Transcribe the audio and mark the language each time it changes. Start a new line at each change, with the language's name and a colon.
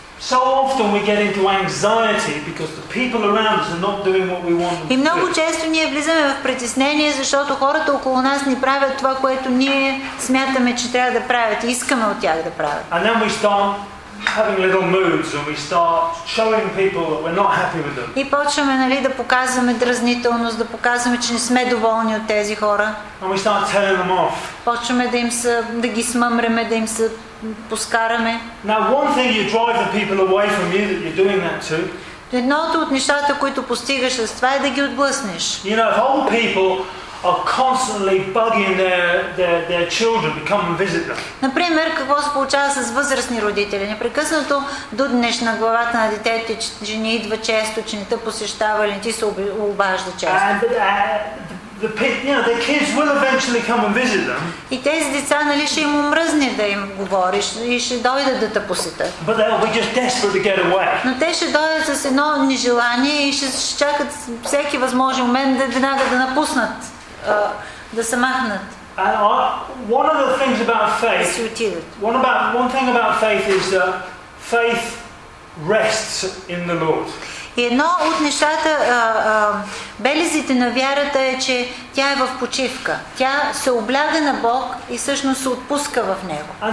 English: So often we get into anxiety because the people around us are not doing what we want them to do.
Bulgarian: И много често ние влизаме в притеснение, защото хората около нас не правят това, което ние смятаме, че трябва да правят и искаме от тях да правят.
English: And then we start having little moods and we start showing people that we're not happy with them.
Bulgarian: И почваме, нали, да показваме дразнителност, да показваме, че не сме доволни от тези хора.
English: And we start telling them off.
Bulgarian: Почваме да ги смъмреме, да им се поскараме.
English: Now one thing you drive the people away from you that you're doing that to.
Bulgarian: Едното от нещата, които постигаш с това, е да ги отблъснеш.
English: You know, if old people are constantly bugging their children to come and visit them.
Bulgarian: Например, какво се получава с възрастни родители? Непрекъснато дуднеш на главата на детето, че не идва често, че не те посещава или не ти се обажда често.
English: The kids will eventually come and visit them.
Bulgarian: И тези деца, нали, ще им омръзне да им говориш и ще дойдат да те посетят.
English: But they'll be just desperate to get away.
Bulgarian: Но те ще дойдат с едно нежелание и ще чакат всеки възможен момент да веднага да напуснат, да се махнат.
English: And one of the things about faith, one thing about faith is that faith rests in the Lord.
Bulgarian: Едно от нещата, белезите на вярата е, че тя е в почивка. Тя се обляга на Бог и всъщност се отпуска в Него.